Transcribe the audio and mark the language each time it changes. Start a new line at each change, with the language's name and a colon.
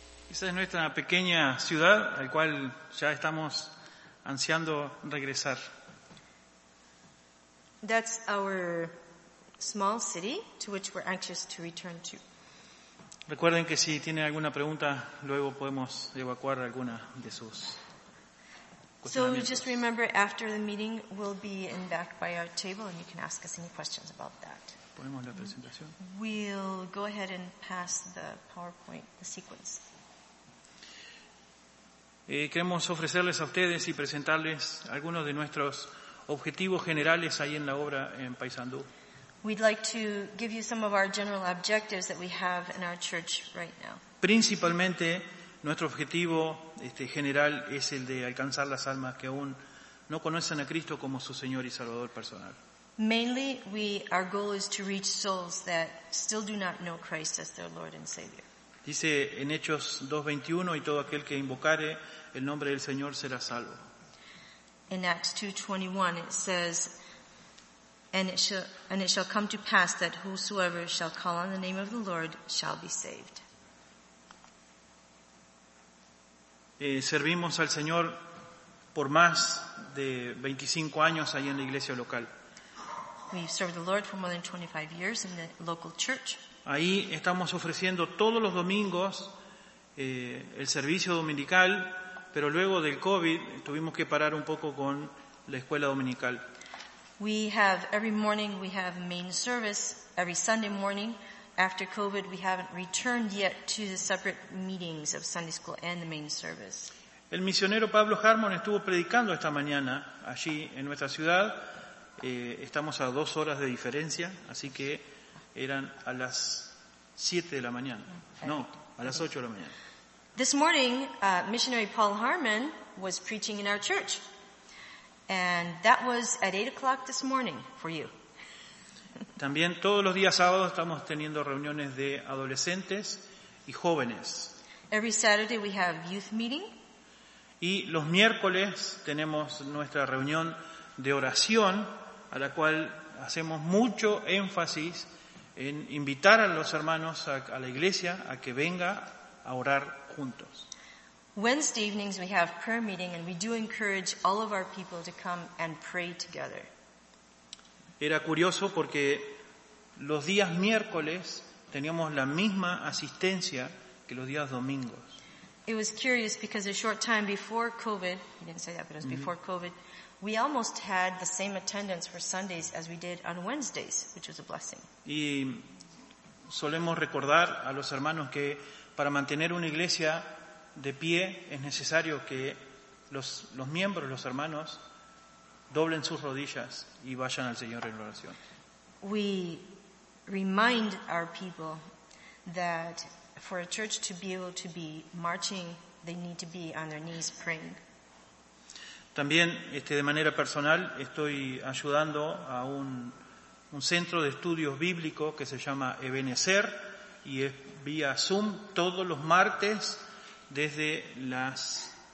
Spanish: Es nuestra pequeña ciudad al cual ya estamos ansiando regresar.
English: That's our small city to which we're anxious to return to.
Spanish: Recuerden que si tienen alguna pregunta, luego podemos evacuar alguna de sus cuestiones.
English: So just remember, after the meeting we'll be in back by our table and you can ask us any questions about that.
Spanish: Ponemos la presentación.
English: We'll go ahead and pass the PowerPoint, the sequence.
Spanish: Queremos ofrecerles a ustedes y presentarles algunos de nuestros objetivos generales ahí en la obra en Paysandú.
English: We'd like to give you some of our general objectives that we have in our church right now.
Spanish: Principalmente nuestro objetivo general es el de alcanzar las almas que aún no conocen a Cristo como su Señor y Salvador personal.
English: Mainly, our goal is to reach souls that still do not know Christ as their Lord and Savior.
Spanish: Dice en Hechos 2:21, y todo aquel que invocare el nombre del Señor será salvo.
English: In Acts 2:21, it says, and it shall come to pass that whosoever shall call on the name of the Lord shall be saved.
Spanish: Servimos al Señor por más de 25 años ahí en la iglesia local.
English: We've served the Lord for more than 25 years in the local church.
Spanish: Ahí estamos ofreciendo todos los domingos el servicio dominical, pero luego del COVID tuvimos que parar un poco con la escuela dominical.
English: We have every morning we have main service every Sunday morning. After COVID, we haven't returned yet to the separate meetings of Sunday school and the main service.
Spanish: El misionero Pablo Harmon estuvo predicando esta mañana allí en nuestra ciudad. Estamos a 2 horas de diferencia, así que eran a las 7 de la mañana. No, a las 8 de la mañana.
English: This morning, missionary Paul Harmon was preaching in our church. And that was at 8 o'clock this morning for you.
Spanish: También todos los días sábados estamos teniendo reuniones de adolescentes y jóvenes.
English: Every Saturday we have youth meeting.
Spanish: Y los miércoles tenemos nuestra reunión de oración, a la cual hacemos mucho énfasis en invitar a los hermanos a la iglesia a que venga a orar juntos.
English: Wednesday evenings we have prayer meeting and we do encourage all of our people to come and pray together.
Spanish: Era curioso porque los días miércoles teníamos la misma asistencia que los días domingos.
English: It was curious because a short time before COVID, he didn't say that, but it was before COVID, we almost had the same attendance for Sundays as we did on Wednesdays, which was a blessing.
Spanish: Y solemos recordar a los hermanos que para mantener una iglesia de pie es necesario que los miembros, los hermanos, doblen sus rodillas y vayan al Señor en oración.
English: We remind our people that for a church to be able to be marching, they need to be on their knees praying.
Spanish: También, de manera personal, estoy ayudando a un centro de estudios bíblicos que se llama Ebenezer, y es vía Zoom todos los martes desde las